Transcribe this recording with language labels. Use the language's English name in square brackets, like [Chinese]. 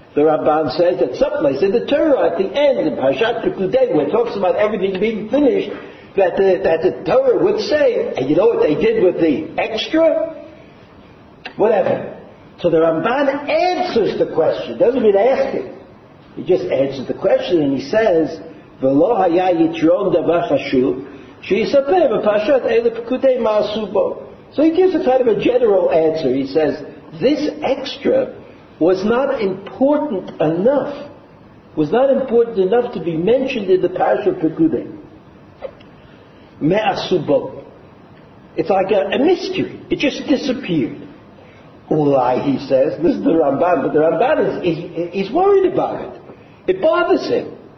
[English] The Ramban says that someplace in the Torah, at the end, in Parashat Pekudei, where it talks about everything being finished, that the Torah would say, and you know what they did with the extra? Whatever. So the Ramban answers the question. Doesn't mean asking. He just answers the question and he says, V'lo haya yitron davar chashuv [Hebrew] שיספר בפרשת אלה פקודי מה עשו בו. [English] So he gives a kind of a general answer. He says, this extra was not important enough, was not important enough to be mentioned in the parasha Pekudei. Me'asubo. It's like a mystery. It just disappeared. Ulai, he says, this is the Ramban, but the Ramban is, he's worried about it. It bothers him.